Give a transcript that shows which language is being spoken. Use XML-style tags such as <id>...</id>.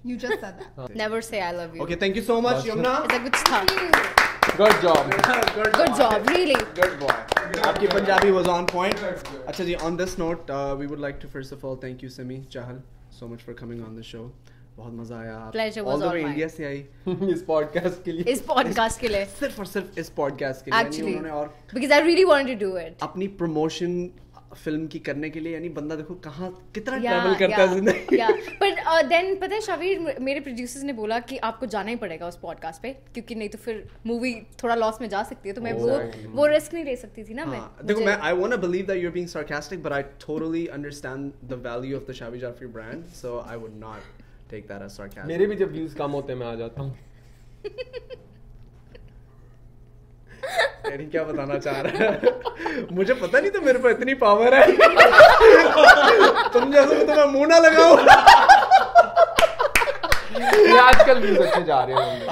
<en>You just said that. Never say I love you. Okay, thank you so much, Yumna. It's a good start. Thank you. Good job. Good job, really. Good boy. Your Punjabi was on point. Okay, on this note, we would like to first of all thank you, Simi, Chahal. So much for coming on the show.</en> <hi>बहुत मजा आया.</hi> <en>Pleasure was all the way mine.</en> <hi>India से आई इस podcast के लिए. इस podcast के लिए. सिर्फ और सिर्फ इस podcast के लिए.</hi> <en>Actually. Because I really wanted to do it.</en> <hi>अपनी promotion film की करने के लिए यानी बंदा देखो कहाँ कितना travel करता है ज़िंदगी.</hi> <en>Yeah.</en> <hi>But then पता है शावीर मेरे producers ने बोला कि आपको जाना ही पड़ेगा उस podcast पे क्योंकि नहीं तो फिर movie थोड़ा loss में जा सकती है तो मैं वो risk नहीं ले सकती थी ना मैं. देखो मैं</hi> <en>I wanna believe that you're being sarcastic but I totally understand the value of the Shavi Jaffrey brand so I would not take that as sarcasm.</en> <hi>मेरे भी जब views कम होते हैं मैं आ जाता हूँ. क्या बताना चाह रहा है मुझे पता नहीं तो मेरे पर इतनी पावर है तुम जैसे तो मैं मुंह ना लगाऊं. आजकल व्यूज अच्छे जा रहे हैं</hi>